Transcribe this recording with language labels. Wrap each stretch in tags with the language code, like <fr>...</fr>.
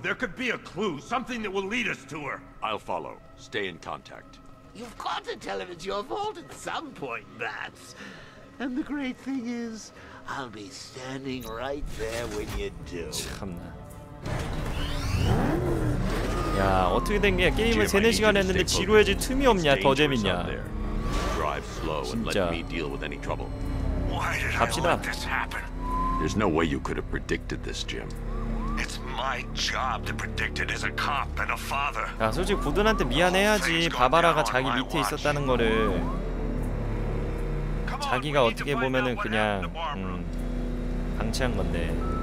<en>There could be a clue, something that will lead us to her. I'll follow. Stay in contact. You've got to tell him it's your fault at some point, Bats. And the great thing is, I'll be standing right there when you do.</en> <ko>참나. 야, 어떻게 된 게야? 게임을 3, 4시간 했는데 지루해질 틈이 없냐? 더 재밌냐? 진짜. 갑시다.</ko> <en>There's no way you could have predicted this, Jim. It's my job to predict it as a cop and a father.</en> <ko>야, 솔직히 고든한테 미안해야지. 바바라가 자기 밑에 있었다는 거를. 자기가 어떻게 보면은 그냥 방치한 건데.</ko>